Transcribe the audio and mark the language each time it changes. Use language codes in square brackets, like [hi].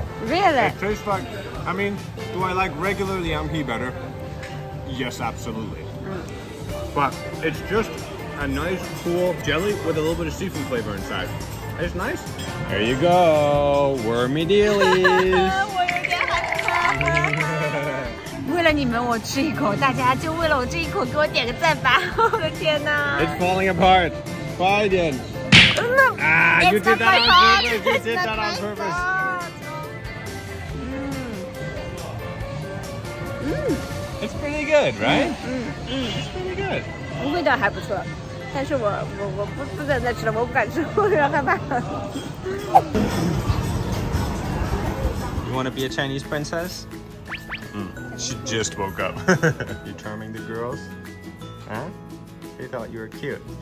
[en] Really? It tastes like. I mean, do I like regular liangpi better? Yes, absolutely. But it's just a nice, cool jelly with a little bit of seafood flavor inside. It's nice. There you go, wormy dealies. [zh] 我有点很饿。为了你们，我吃一口。大家就为了我这一口，给我点个赞吧。我的天哪！ [en] It's falling apart. Biden. No. Ah, you did that on purpose. You did that on purpose. It's pretty good, right? It's pretty good. [zh] 味道还不错，但是我不敢再吃了，我不敢吃，我有点害怕。 [en] You want to be a Chinese princess? She just woke up. You charming the girls? Huh? They thought you were cute.